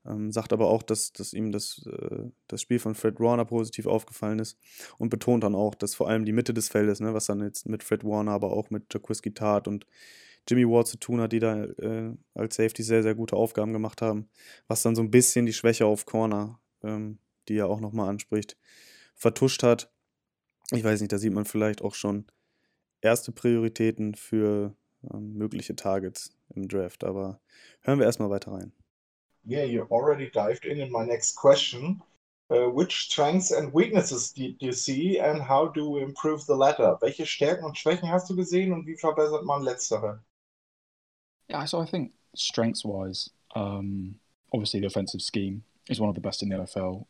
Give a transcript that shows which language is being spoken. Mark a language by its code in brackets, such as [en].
[de] Sagt aber auch, dass ihm das Spiel von Fred Warner positiv aufgefallen ist und betont dann auch, dass vor allem die Mitte des Feldes, ne, was dann jetzt mit Fred Warner, aber auch mit Jaquiski Tart und Jimmy Ward zu tun hat, die da als Safety sehr, sehr gute Aufgaben gemacht haben, was dann so ein bisschen die Schwäche auf Corner, die er auch nochmal anspricht, vertuscht hat. Ich weiß nicht, da sieht man vielleicht auch schon erste Prioritäten für mögliche Targets im Draft, aber hören wir erstmal weiter rein. [en] Yeah, you already dived in my next question. Which strengths and weaknesses do you see and how do we improve the latter? [de] Welche Stärken und Schwächen hast du gesehen und wie verbessert man letztere? [en] Yeah, so I think strengths-wise, obviously the offensive scheme is one of the best in the NFL.